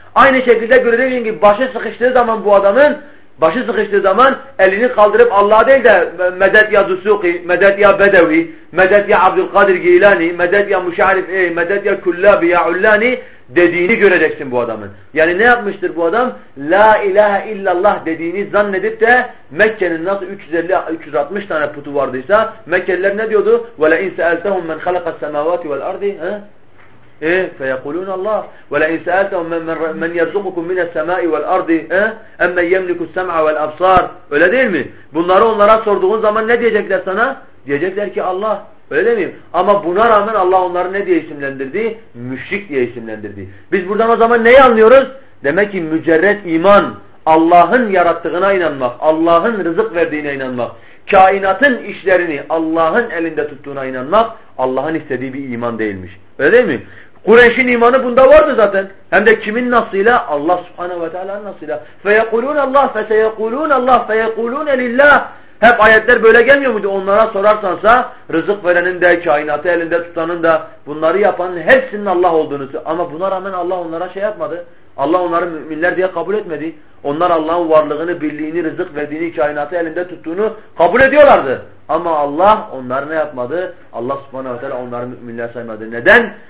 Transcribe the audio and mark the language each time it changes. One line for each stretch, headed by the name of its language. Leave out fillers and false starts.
Turkish: Aynı şekilde göreceksin ki başı sıkıştığı zaman bu adamın başı sıkıştığı zaman elini kaldırıp Allah'a değil de medet ya Dusuki, medet ya Bedevi, medet ya Abdülkadir Geylani, medet ya Muşarif, medet ya Kullabi ya Ullani dediğini göreceksin bu adamın. Yani ne yapmıştır bu adam? La ilahe illallah dediğini zannedip de Mekke'nin nasıl 350-360 tane putu vardıysa Mekkeliler ne diyordu?
Arabic: وَلَاِنْ سَأَلْتَهُمْ مَنْ خَلَقَ السَّمَاوَاتِ وَالْاَرْضِ فَيَقُولُونَ اللّٰهُ وَلَاِنْ سَأَلْتَهُمْ مَنْ يَرْزُقُكُمْ مِنَ السَّمَاءِ وَالْاَرْضِ اَمَّنْ يَمْلِكُ السَّمْعَ وَالْاَبْصَارِ
Turkish: Öyle değil mi? Bunları onlara sorduğun zaman ne diyecekler sana? Diyecekler ki Allah. Öyle değil mi? Ama buna rağmen Allah onları ne diye isimlendirdi? Müşrik diye isimlendirdi. Biz buradan o zaman neyi anlıyoruz? Demek ki mücerred iman, Allah'ın yarattığına inanmak, Allah'ın rızık verdiğine inanmak, kainatın işlerini Allah'ın elinde tuttuğuna inanmak, Allah'ın istediği bir iman değilmiş. Öyle değil mi? Kureyş'in imanı bunda vardı zaten. Hem de kimin nasıyla? Allah subhanehu ve teala'nın nasıyla.
Arabic: فَيَقُولُونَ اللّٰهُ فَسَيَقُولُونَ اللّٰهُ فَيَقُولُونَ لِلّٰهُ
Turkish: Hep ayetler böyle gelmiyor muydu? Onlara sorarsansa rızık verenin de, kainatı elinde tutanın da, bunları yapanın hepsinin Allah olduğunu. Ama buna rağmen Allah onlara şey yapmadı. Allah onları müminler diye kabul etmedi. Onlar Allah'ın varlığını, birliğini, rızık verdiğini, kainatı elinde tuttuğunu kabul ediyorlardı. Ama Allah onları ne yapmadı? Allah subhanehu ve teala onları müminler saymadı. Neden?